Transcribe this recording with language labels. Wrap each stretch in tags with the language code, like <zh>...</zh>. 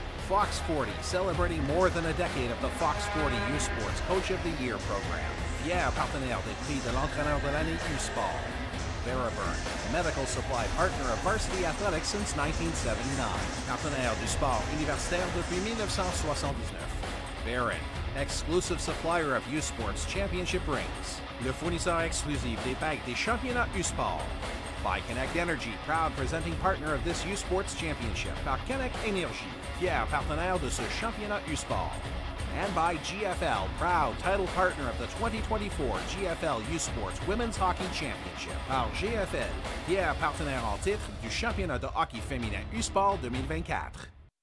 <en>Fox 40, celebrating more than a decade of the Fox 40 U Sports Coach of the Year program.</en> <fr>Pierre Partenaire des Prix de l'Entraîneur de l'année U Sport.</fr> <en>Veriburn, medical supply partner of varsity athletics since 1979.</en> <fr>Partenaire du sport universitaire depuis 1979.</fr> <en>Baron, exclusive supplier of U Sports Championship rings.</en> <fr>Le fournisseur exclusif des bagues des championnats U Sport.</fr> <en>ByConnect Energy, proud presenting partner of this U Sports Championship.</en> <fr>ByConnect Energy, fier partenaire de ce championnat U Sport.</fr> <en>And by GFL, proud title partner of the 2024 GFL U Sports Women's Hockey Championship.</en> <fr>Par GFL, fier partenaire en titre du championnat de hockey féminin U Sport 2024.</fr>